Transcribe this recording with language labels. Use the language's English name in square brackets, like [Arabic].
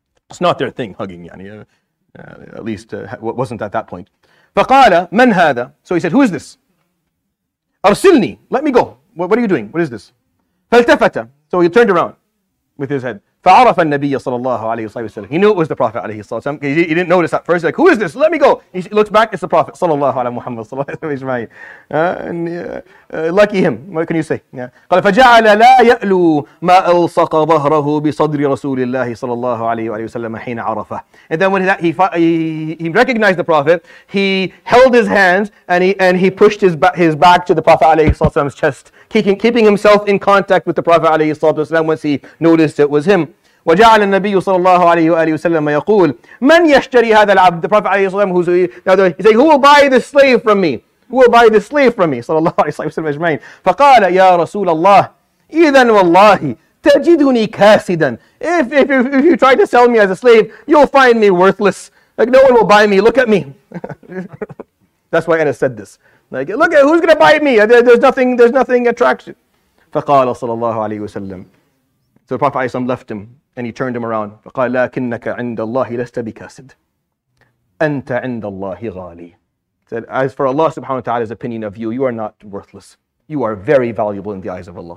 [English] It's not their thing, hugging, yani. At least it wasn't at that point. [Arabic] فَقَالَ مَنْ هَذَا. [English] So he said, who is this? [Arabic] أَرْسِلْنِي. [English] Let me go. What are you doing? What is this? [Arabic] فَالْتَفَتَ. [English] So he turned around with his head. [Arabic] فَعَرَفَ النَّبِيَّ صَلَى اللَّهُ عَلَيْهِ وَسَلَّمَ. [English] He knew it was the Prophet عليه الصلاة والسلام. He didn't notice at first. Like, who is this? Let me go. He looks back. It's the Prophet [Arabic] صلى الله عليه محمد صلى الله عليه وسلم. [English] Lucky him. What can you say? Yeah. [Arabic] قال فَجَعَلَ لَا يَأْلُو مَا أَلْصَقَ ظَهْرَهُ بِصَدْرِ رَسُولِ اللَّهِ صَلَى اللَّهُ عَلَيْهِ وَسَلَّمَ حِينَ عَرَفَهُ. [English] And then when he recognized the Prophet, he held his hands and he pushed his back to the Prophet عليه الصلاة والسلام's chest, keeping himself in contact with the Prophet عليه الصلاة والسلام once he noticed it was him. [Arabic] وجعل النبي صلى الله عليه وآله وسلم يقول من يشتري هذا العبد. [English] The Prophet عليه الصلاة والسلام, who's saying, who will buy this slave from me? Who will buy this slave from me? [Arabic] صلى الله عليه وسلم أجمعين. فقال يا رسول الله إذا والله تجدني كاسدا. [English] If you try to sell me as a slave, you'll find me worthless. Like, no one will buy me. Look at me. That's why Anas said this. Like, look at, who's gonna buy me? There's nothing attraction. [Arabic] فقال صلى الله عليه وسلم. [English] So the Prophet ﷺ left him and he turned him around. [Arabic] فقال لكنك عند الله لست بكاسد. أنت عند الله غالي. [English] Said, as for Allah subhanahu wa ta'ala's opinion of you are not worthless. You are very valuable in the eyes of Allah.